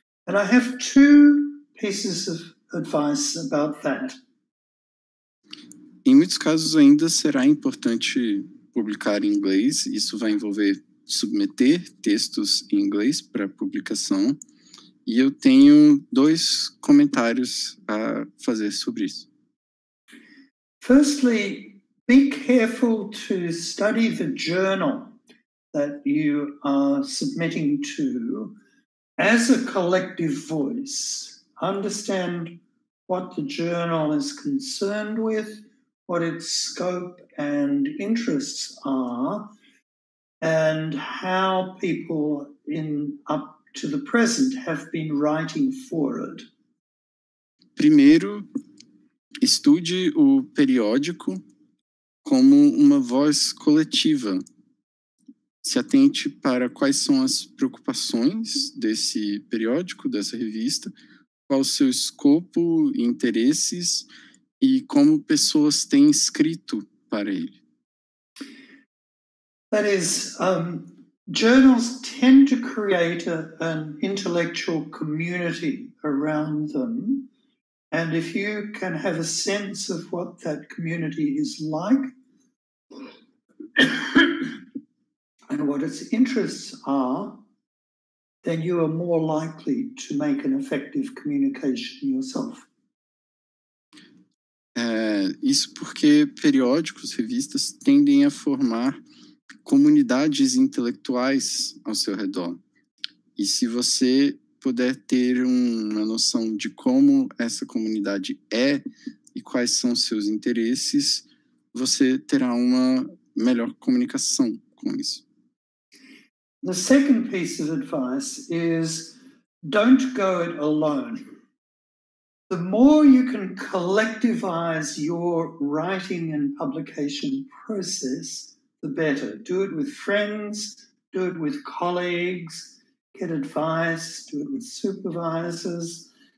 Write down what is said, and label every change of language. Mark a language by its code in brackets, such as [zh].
[en] And I have two pieces of advice about that. [pt] Em muitos casos ainda será importante publicar em inglês. Isso vai envolver submeter textos em inglês para publicação. E eu tenho dois comentários a fazer sobre isso. [en] Firstly, be careful to study the journal that you are submitting to as a collective voice. Understand what the journal is concerned with, what its scope and interests are, and how people in up to the present have been writing for it. [pt] Primeiro, estude o periódico como uma voz coletiva. Se atente para quais são as preocupações desse periódico, dessa revista, qual o seu escopo, interesses e como pessoas têm escrito para ele. [en] That is, journals tend to create an intellectual community around them. And if you can have a sense of what that community is like and what its interests are, then you are more likely to make an effective communication yourself. [pt] Isso porque periódicos, revistas, tendem a formar comunidades intelectuais ao seu redor. E se você puder ter uma noção de como essa comunidade é e quais são seus interesses, você terá uma melhor comunicação com isso. [en] The second piece of advice is don't go it alone. The more you can collectivize your writing and publication process, the better. Do it with friends, do it with colleagues, get advice, do it with supervisors.